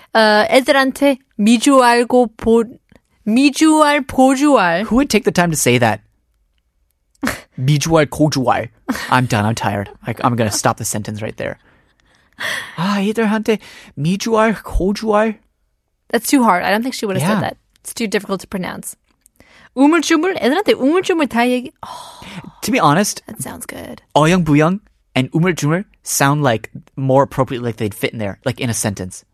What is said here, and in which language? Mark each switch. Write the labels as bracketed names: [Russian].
[Korean] 애들한테 미주알고 보, 미주알 보주알. [English] Who would take the time to say that? 미주알 고주알. I'm done. I'm tired. I'm going to stop the sentence right there. [Korean] 아, 애들한테 미주알 고주알. [English] That's too hard. I don't think she would have said that. It's too difficult to pronounce. [Korean] 우물쭈물 애들한테 우물쭈물 다 얘기. [English] To be honest, that sounds good. 어영부영 and 우물쭈물 sound like more appropriate, like they'd fit in there, like in a sentence.